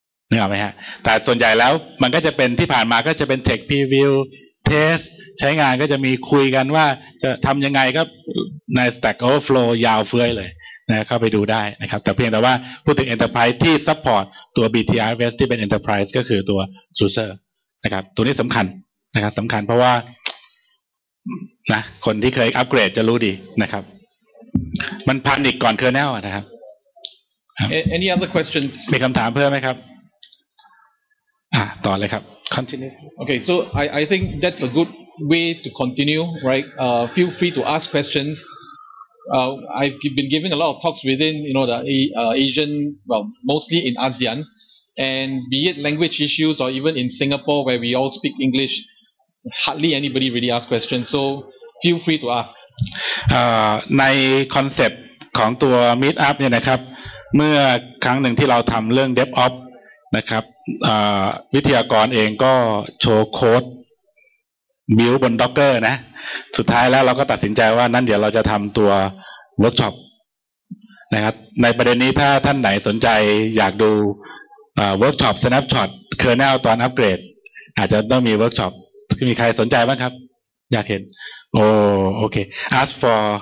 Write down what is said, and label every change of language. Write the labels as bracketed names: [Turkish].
[Thai] นึกออกไหมฮะแต่ส่วนใหญ่แล้วมันก็จะเป็นที่ผ่านมาก็จะเป็น Tech Previewเทสใช้งานก็จะมีคุยกันว่าจะทำยังไงก็ใน Stack Overflow ยาวเฟื่อยเลยนะเข้าไปดูได้นะครับแต่เพียงแต่ว่าพูดถึง Enterprise ที่ support ตัว BTFS ที่เป็น Enterprise ก็คือตัว SUSE นะครับตัวนี้สำคัญนะครับสำคัญเพราะว่านะคนที่เคยอัปเกรดจะรู้ดีนะครับมันพันอีกก่อน Kernel นะครับ [English] Any other questions [Thai] มีคำถามเพิ่มไหมครับต่อเลยครับ continue [English] okay so I think that's a good way to continue right feel free to ask questions I've been giving a lot of talks within you know the Asian well mostly in ASEAN and be it language issues or even in Singapore where we all speak English hardly anybody really ask questions so feel free to ask [Thai] ในคอนเซ็ปต์ของตัว meet up เนี่ยนะครับเมื่อครั้งหนึ่งที่เราทำเรื่อง DevOpsนะครับวิทยากรเองก็โชว์โค้ดบิ้วบน Docker นะสุดท้ายแล้วเราก็ตัดสินใจว่านั้นเดี๋ยวเราจะทำตัวเวิร์กช็อปนะครับในประเด็นนี้ถ้าท่านไหนสนใจอยากดูเวิร์กช็อป Snapshot Kernel ตอนอัปเกรดอาจจะต้องมีเวิร์กช็อปมีใครสนใจบ้างครับอยากเห็นโอเค [English] ask for